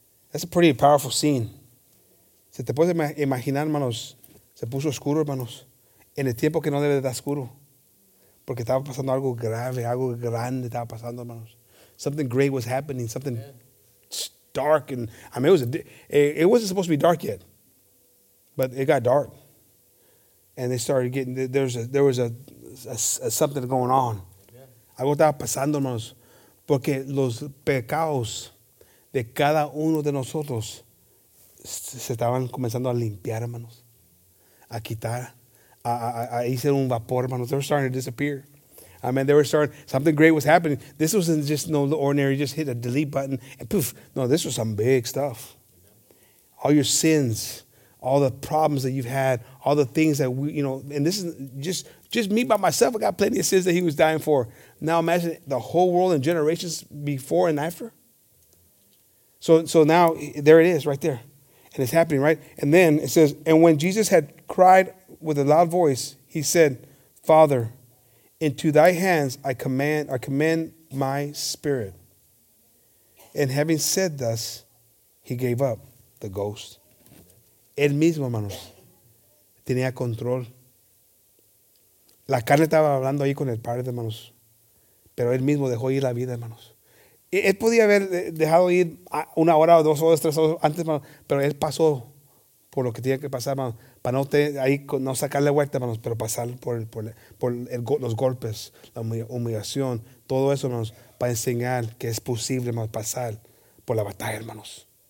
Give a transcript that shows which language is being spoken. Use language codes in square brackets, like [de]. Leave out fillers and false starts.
[en] That's a pretty powerful scene. [es] Se te puede imaginar, hermanos, se puso oscuro, hermanos, en el tiempo que no debe de estar oscuro, porque estaba pasando algo grave, algo grande estaba pasando, hermanos. [en] Something great was happening, something dark, and I mean, it wasn't supposed to be dark yet, but it got dark, and they started getting, there was something going on. Algo estaba pasando, hermanos, porque los pecados de cada uno de nosotros se estaban comenzando a limpiar, hermanos, a quitar, a hacer un vapor, hermanos. They were starting to disappear. I mean, they were starting, something great was happening. This wasn't just no ordinary, just hit a delete button and poof. No, this was some big stuff. All your sins, all the problems that you've had, all the things that we, you know, and this is just me by myself. I got plenty of sins that he was dying for. Now imagine the whole world and generations before and after. So now, there it is, right there. And it's happening, right? And then it says, and when Jesus had cried with a loud voice, he said, Father, into thy hands I commend my spirit. And having said thus, he gave up the ghost. [es] Él mismo, hermanos, tenía control. La carne estaba hablando ahí con el padre, hermanos. Pero él mismo dejó ir la vida, hermanos. Él podía haber dejado ir una hora o dos horas, tres horas antes, hermano, pero él pasó por lo que tenía que pasar, hermano, para no, no sacarle vuelta, hermanos, pero pasar los golpes, la humillación, todo eso, hermanos, para enseñar que es posible, hermanos, pasar por la batalla, hermanos.